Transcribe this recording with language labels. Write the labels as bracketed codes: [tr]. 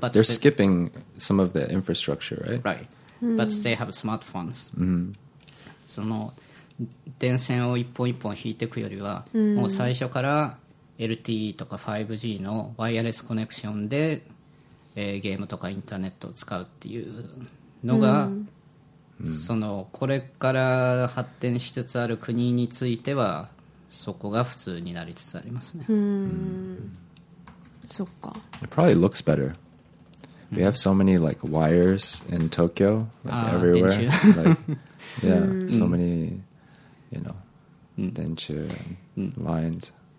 [en] But they're skipping some of the infrastructure, right? Right. But they have smartphones. [ja] その電線を一本一本引いていくよりは、もう最初から LTE とか 5G のワイヤレスコネクションで、ゲームとかインターネットを使うっていうのが、そのこれから発展しつつある国についてはそこが普通になりつつありますね。そっか。 [en] It probably looks better. We have so many like wires in Tokyo, like everywhere. Like, yeah, so many, you know, denchu lines.